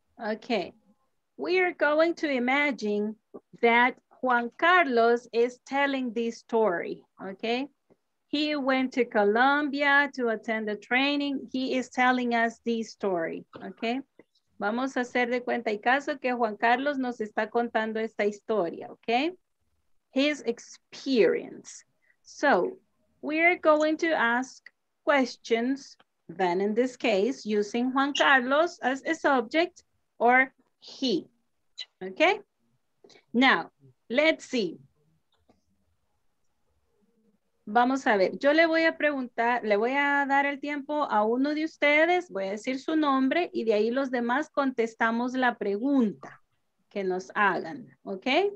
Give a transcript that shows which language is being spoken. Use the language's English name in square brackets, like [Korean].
[English] Okay, we are going to imagine that Juan Carlos is telling this story, okay? He went to Colombia to attend the training. He is telling us this story, okay? [Spanish] Vamos a hacer de cuenta y caso que Juan Carlos nos está contando esta historia, okay? His experience. [English] So, we are going to ask questions, then in this case, using Juan Carlos as a subject or he, okay? Now, let's see. [Spanish] Vamos a ver, yo le voy a preguntar, le voy a dar el tiempo a uno de ustedes, voy a decir su nombre y de ahí los demás contestamos la pregunta que nos hagan, ¿ok?